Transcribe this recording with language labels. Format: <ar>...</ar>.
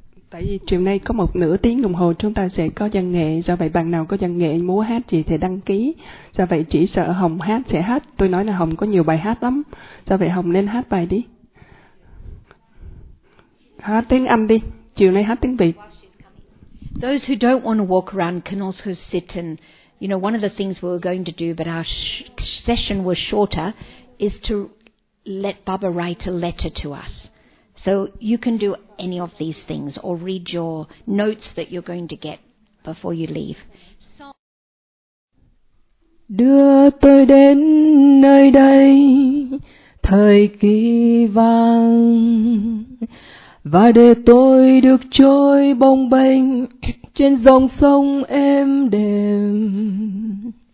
<vi>Tại vì chiều nay có một nửa tiếng đồng hồ chúng ta sẽ có văn nghệ, do vậy bạn nào có văn nghệ múa hát gì thì đăng ký. Do vậy chỉ sợ Hồng hát sẽ hát, tôi nói là Hồng có nhiều bài hát lắm. Do vậy Hồng nên hát bài đi. Hát tiếng Anh đi, chiều nay hát tiếng Việt.</vi> <en>Those who don't want to walk around can also sit and, you know, one of the things we were going to do but our session was shorter is to let Baba write a letter to us. So you can do any of these things or read your notes that you're going to get before you leave.</en> <vi>Đưa tôi đến nơi đây thời kỳ vàng, và để tôi được trôi bồng bềnh trên dòng sông êm đềm.</vi>